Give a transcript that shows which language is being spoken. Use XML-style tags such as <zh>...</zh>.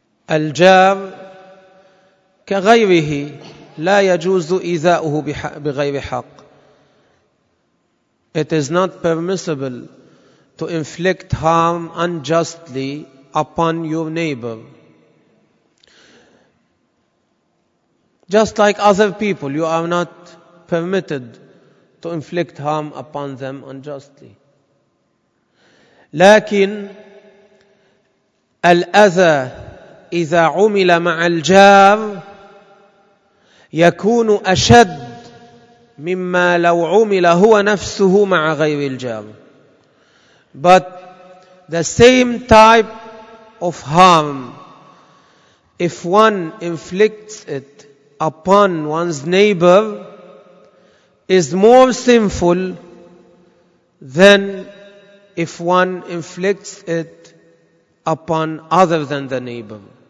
<ar>الجار كغيره لا يجوز إيذاؤه بغير حق.</ar> <en>It is not permissible to inflict harm unjustly upon your neighbor. Just like other people, you are not permitted to inflict harm upon them unjustly.</en> <ar>لكن الأذى إذا عمل مع الجار يكون أشد مما لو عمل هو نفسه مع غير الجار.</ar> <en>But the same type of harm, if one inflicts it upon one's neighbor, is more sinful than if one inflicts it upon other than the neighbor.</en>